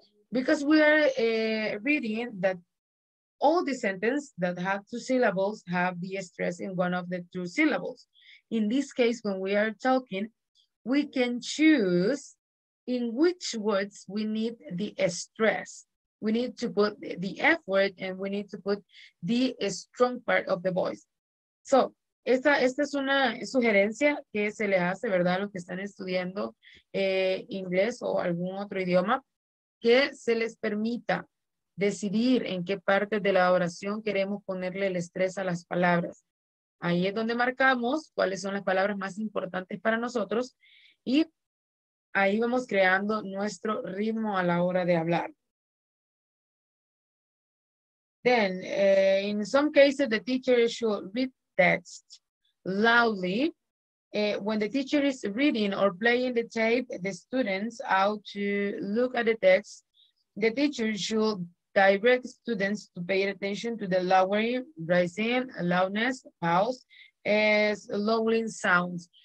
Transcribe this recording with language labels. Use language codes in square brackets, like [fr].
[en] Because we are reading that all the sentences that have two syllables have the stress in one of the two syllables. In this case, when we are talking, we can choose in which words we need the stress. We need to put the effort and we need to put the strong part of the voice. [es] So, Esta es una sugerencia que se le hace, ¿verdad?, a los que están estudiando inglés o algún otro idioma. que se les permita decidir en qué parte de la oración queremos ponerle el estrés a las palabras. Ahí es donde marcamos cuáles son las palabras más importantes para nosotros y ahí vamos creando nuestro ritmo a la hora de hablar. [en] Then, in some cases, the teacher should read text loudly. When the teacher is reading or playing the tape, the students ought to look at the text. The teacher should direct students to pay attention to the lowering, rising, loudness, pause, as lowering sounds.